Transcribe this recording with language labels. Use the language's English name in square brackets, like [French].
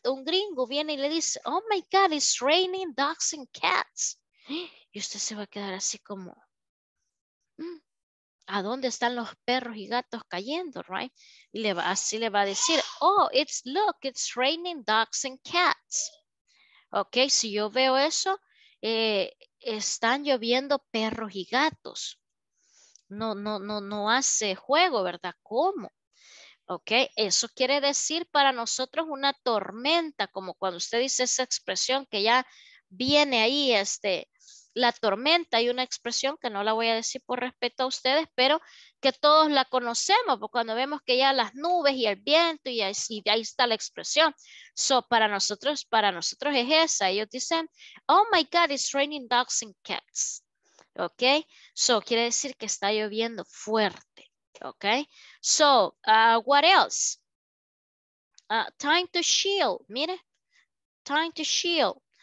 [Spanish] Un gringo viene y le dice, [English] oh my God, it's raining dogs and cats. [Spanish] Y usted se va a quedar así como, ¿a dónde están los perros y gatos cayendo, right? Y le va, así le va a decir, [English] oh, it's, look, it's raining dogs and cats. [Spanish] Ok, si yo veo eso, están lloviendo perros y gatos. No hace juego, ¿verdad? ¿Cómo? Ok, eso quiere decir para nosotros una tormenta, como cuando usted dice esa expresión que ya viene ahí, la tormenta. Hay una expresión que no la voy a decir por respeto a ustedes, pero que todos la conocemos, porque cuando vemos que ya las nubes y el viento, y ahí está la expresión. So, para nosotros es esa. Ellos dicen, [English] oh my God, it's raining dogs and cats. [Spanish] ¿Ok? So, quiere decir que está lloviendo fuerte. ¿Ok? [English] So, what else? Time to chill. [Spanish] Mire. [English] Time to chill.